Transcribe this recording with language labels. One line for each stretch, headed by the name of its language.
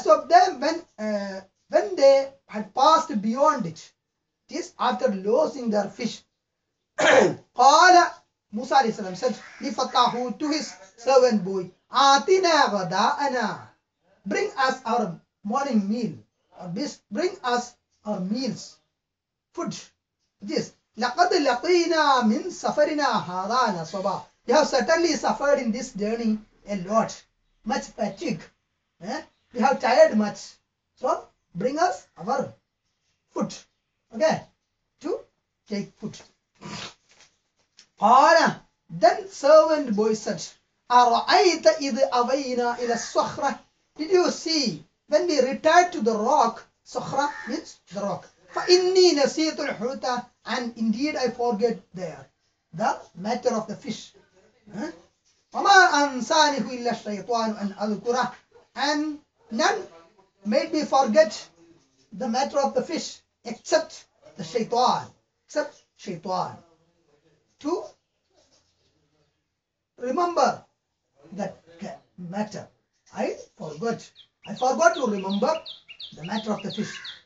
English: So then when they had passed beyond it, it is after losing their fish, قَالَ Musa alayhi salam said, لِفَتَاهُ to his servant boy,
Arabic: آتِنَا غَدَاءَنَا.
English: Bring us our morning meal. Or bring us our meals. Food. This.
Arabic: لقد لقينا من سفرنا هذا نصبا.
English: We have certainly suffered in this journey a lot. Much fatigue. We have tired much. So bring us our food. Okay. To take food.
Arabic: قال
English: then servant boy said
Arabic: أرأيت إذ أوينا إلى الصخرة.
English: Did you see when we retired to the rock? صخرة means the rock.
Arabic: فإني نسيت الحوت
English: and indeed I forget there. The matter of the fish.
Arabic: وما أنسانه إلا الشيطان أن أذكره.
English: And none made me forget the matter of the fish except the shaitan. Except shaitan. To remember that matter. I forgot to remember the matter of the fish.